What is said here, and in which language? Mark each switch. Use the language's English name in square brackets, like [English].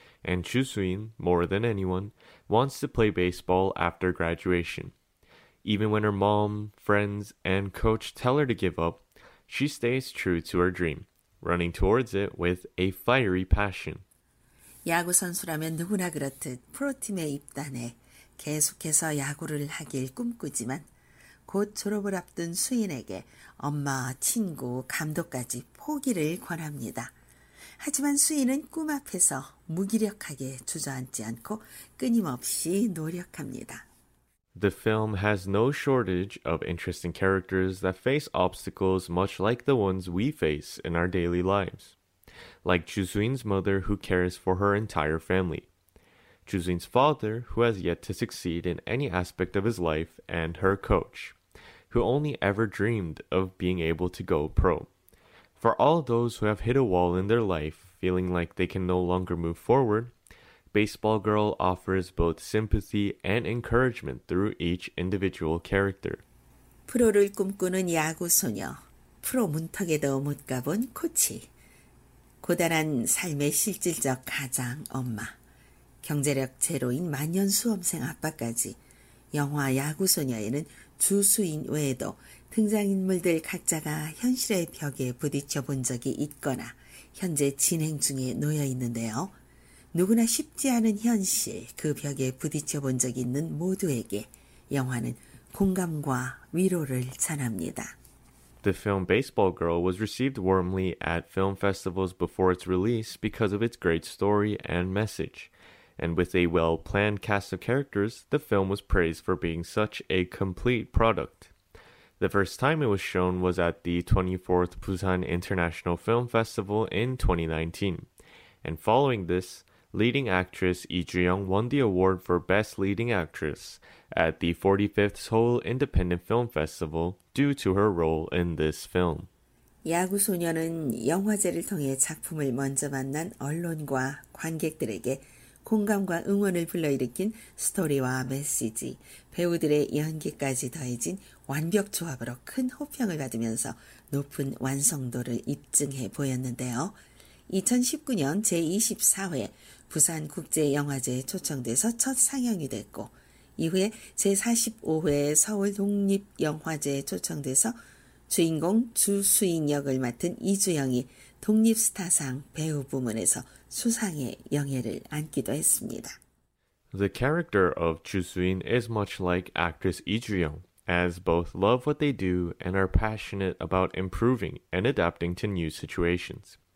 [English] And Ju Soo-in, more than anyone, wants to play baseball after graduation. Even when her mom, friends, and coach tell her to give up, she stays true to her dream, running towards it with a fiery passion. [Korean] 야구 선수라면 누구나 그렇듯 프로팀에 입단해 계속해서 야구를 하길 꿈꾸지만 곧 졸업을 앞둔 수인에게 엄마, 친구, 감독까지 포기를 권합니다. 하지만 수인은 꿈 앞에서 무기력하게 주저앉지 않고 끊임없이 노력합니다. [English] The film has no shortage of interesting characters that face obstacles much like the ones we face in our daily lives. Like Ju Soo-in's mother who cares for her entire family. Ju Soo-in's father, who has yet to succeed in any aspect of his life, and her coach, who only ever dreamed of being able to go pro. For all those who have hit a wall in their life, feeling like they can no longer move forward, Baseball Girl offers both sympathy and encouragement through each individual character. [Korean] 프로를 꿈꾸는 야구 소녀, 프로 문턱에도 못 가본 코치, 고단한 삶의 실질적 가장 엄마, 경제력 제로인 만년 수험생 아빠까지 영화 야구소녀에는 주수인 외에도 등장인물들 각자가 현실의 벽에 부딪혀 본 적이 있거나 현재 진행 중에 놓여 있는데요. 누구나 쉽지 않은 현실 그 벽에 부딪혀 본 적 있는 모두에게 영화는 공감과 위로를 전합니다. [English] The film Baseball Girl was received warmly at film festivals before its release because of its great story and message. And with a well-planned cast of characters, the film was praised for being such a complete product. The first time it was shown was at the 24th Busan International Film Festival in 2019. And following this, leading actress Lee Ji-young won the award for Best Leading Actress at the 45th Seoul Independent Film Festival due to her role in this film. [Korean] 야구 소녀는 영화제를 통해 작품을 먼저 만난 언론과 관객들에게 공감과 응원을 불러일으킨 스토리와 메시지, 배우들의 연기까지 더해진 완벽 조합으로 큰 호평을 받으면서 높은 완성도를 입증해 보였는데요. 2019년 제24회 부산국제영화제에 초청돼서 첫 상영이 됐고 이후에 제45회 서울독립영화제에 초청돼서 주인공 주수인 역을 맡은 이주영이 독립스타상 배우 부문에서 수상의 영예를 안기도 했습니다. [English] The character of Ju Soo-in is much like actress Lee Ji-young, as both love what they do and are passionate about improving and adapting to new situations.